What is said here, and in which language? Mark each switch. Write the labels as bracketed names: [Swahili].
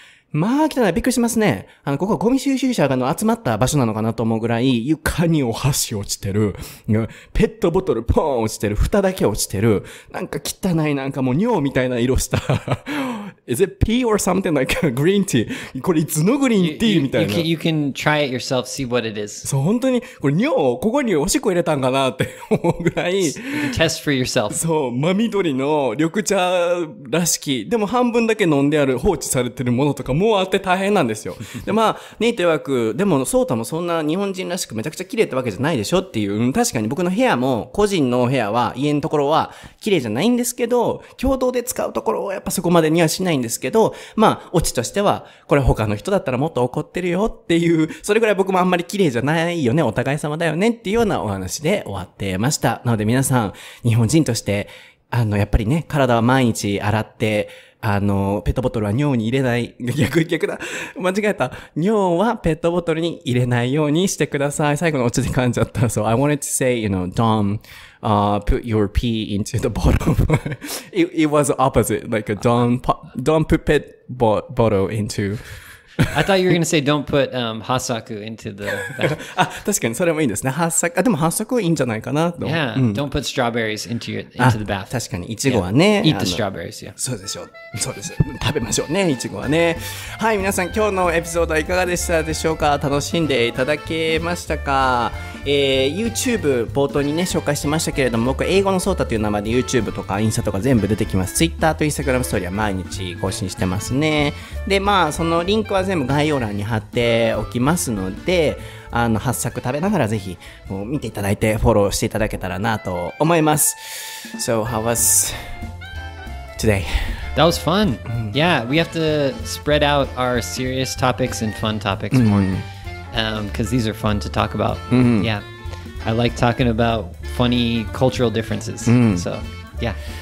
[Japanese] まあ汚い。びっくりしますね。ここはゴミ収集車が集まった場所なのかなと思うぐらい、床にお箸落ちてる。ペットボトルポーン落ちてる。蓋だけ落ちてる。なんか汚い、なんかもう尿みたいな色した。 [English] Is it pea or something like green tea? [Japanese] これいつのグリーンティーみたいな。 [English] You can try it yourself, see what it is. [Japanese] そう、本当に、これ尿をここにおしっこ入れたんかなって思うぐらい。 [English] Test for yourself. [Japanese] そう、真緑の緑茶らしき、でも半分だけ飲んである放置されてるものとかもあって大変なんですよ。で、まあ、ネイト曰く、でもソータもそんな日本人らしくめちゃくちゃ綺麗ってわけじゃないでしょっていう、うん、確かに僕の部屋も、個人の部屋は、家のところは綺麗じゃないんですけど、共同で使うところはやっぱそこまでにはしないんですけど、まあオチとしてはこれ他の人だったらもっと怒ってるよっていう、それぐらい僕もあんまり綺麗じゃないよね、お互い様だよねっていうようなお話で終わってました。なので皆さん、日本人としてやっぱりね、体は毎日洗って、ペットボトルは尿に入れない、逆だ間違えた、尿はペットボトルに入れないようにしてください。最後のオチで噛んじゃった。 [English] So I wanted to say, you know, don't put your pee into the bottle. it was opposite, like a don't put pet bottle into. I thought you were going to say don't put hasaku into the. [Japanese] あ、確かにそれもいいですね。 hasaku、でも hasaku いいんじゃないかなと。 [English] Yeah,、うん、don't put strawberries into the bath. [Japanese] 確かにいちごはね。 [English] Yeah. Eat the strawberries, yeah. [Japanese] そうですよ。そうです。食べましょうね、いちごはね。はい、皆さん、今日のエピソードはいかがでしたでしょうか。楽しんでいただけましたか。 YouTube 冒頭にね紹介しましたけれども、僕英語のそーたという名前で YouTube とかインスタとか全部出てきます。 Twitter と Instagram ストーリーは毎日更新してますね。で、まあそのリンクは全部概要欄に貼っておきますので、発作食べながらぜひ見ていただいてフォローしていただけたらなと思います。 [English] So how was today? That was fun. Yeah, we have to spread out our serious topics and fun topics more. Because these are fun to talk about. Yeah, I like talking about funny cultural differences. So, yeah.